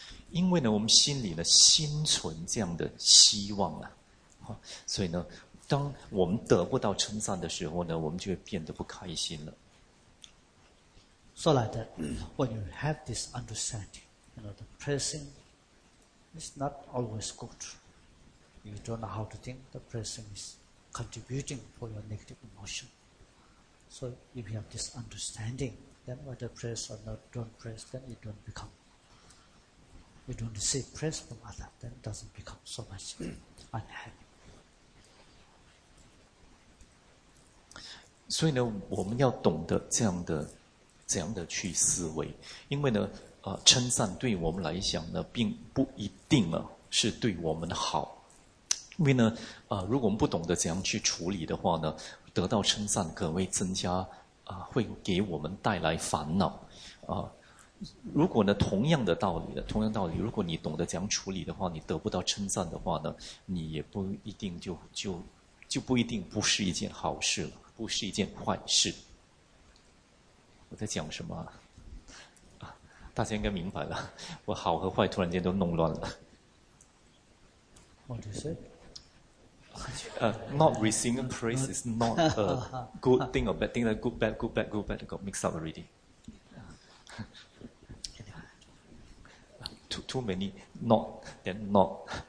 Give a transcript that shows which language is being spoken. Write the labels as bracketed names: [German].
[Chinese] 因为呢我们心里呢心存这样的希望啊，所以呢当我们得不到称赞的时候呢，我们就会变得不开心了。 [English] So like that, when you have this understanding, you know, the praising is not always good. You don't know how to think, the praising is contributing for your negative emotion. So if you have this understanding, then whether praise or not, don't praise, then you don't become. You don't receive praise from others, then it doesn't become so much unhappy. [Chinese] 所以呢我们要懂得怎样的去思维，因为呢称赞对我们来讲呢并不一定啊是对我们好，因为呢如果我们不懂得怎样去处理的话呢，得到称赞可能会增加会给我们带来烦恼如果呢同样道理，如果你懂得怎样处理的话，你得不到称赞的话呢，你也不一定就不一定不是一件好事了，不是一件坏事。我在讲什么大家应该明白了，我好和坏突然间都弄乱了。 [English] What do you say? Not receiving praise is not a good thing or bad thing. Good, bad, good, bad, good, bad. Got mixed up already. Too many not, then not.